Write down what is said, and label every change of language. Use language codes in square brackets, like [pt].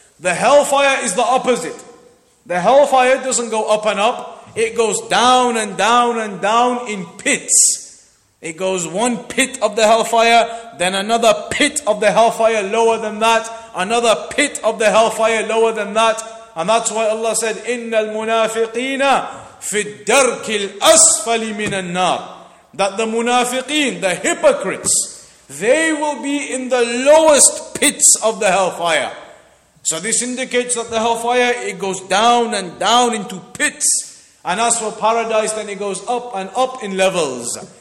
[en] The hellfire is the opposite. The hellfire doesn't go up and up. It goes down and down and down in pits. It goes one pit of the hellfire, then another pit of the hellfire lower than that. Another pit of the hellfire lower than that. And that's why Allah said, [ar] إِنَّ الْمُنَافِقِينَ فِي الدَّرْكِ الْأَسْفَلِ مِنَ النَّارِ. [en] That the munafiqeen, the hypocrites, they will be in the lowest pits of the hellfire. So this indicates that the hellfire, it goes down and down into pits. And as for paradise, then it goes up and up in levels.